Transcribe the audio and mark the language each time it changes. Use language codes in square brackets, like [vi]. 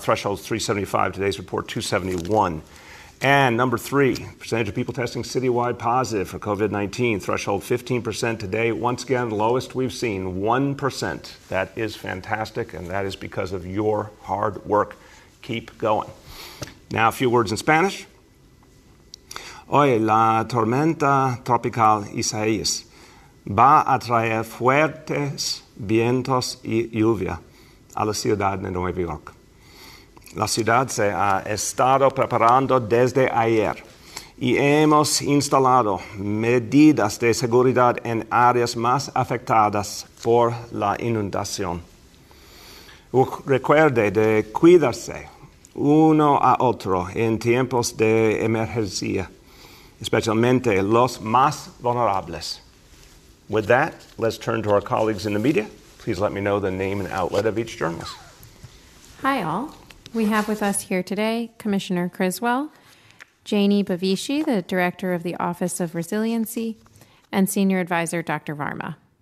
[en] Threshold is 375. Today's report, 271. And number three, percentage of people testing citywide positive for COVID-19. Threshold 15% today. Once again, lowest we've seen, 1%. That is fantastic, and that is because of your hard work. Keep going. Now, a few words in Spanish. [es] Hoy, la tormenta tropical Isaías va a traer fuertes vientos y lluvia a la ciudad de Nueva York. La ciudad se ha estado preparando desde ayer y hemos instalado medidas de seguridad en áreas más afectadas por la inundación. Recuerde de cuidarse uno a otro en tiempos de emergencia. Especialmente los más vulnerables. [en] With that, let's turn to our colleagues in the media. Please let me know the name and outlet of each journalist. Hi, all. We have with us here today Commissioner Criswell, Janie Bavishi, the Director of the Office of Resiliency, and Senior Advisor Dr. Varma.